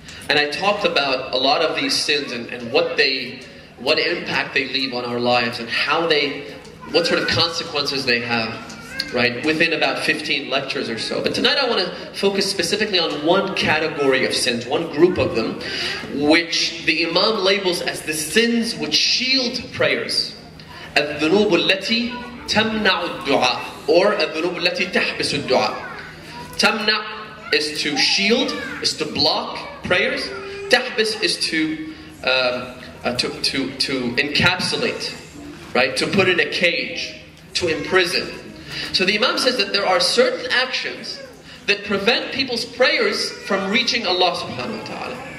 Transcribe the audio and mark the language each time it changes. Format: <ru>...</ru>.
<en>And I talked about a lot of these sins and what impact they leave on our lives and what sort of consequences they have, right, within about 15 lectures or so. But tonight I want to focus specifically on one category of sins, one group of them, which the Imam labels as the sins which shield prayers.</en> <ar>الذنوب التي تمنع الدعاء or الذنوب التي تحبس الدعاء.</ar> <en>تمنع is to shield, is to block prayers. تحبس is to encapsulate, right? To put in a cage, to imprison. So the Imam says that there are certain actions that prevent people's prayers from reaching Allah subhanahu wa ta'ala.</en>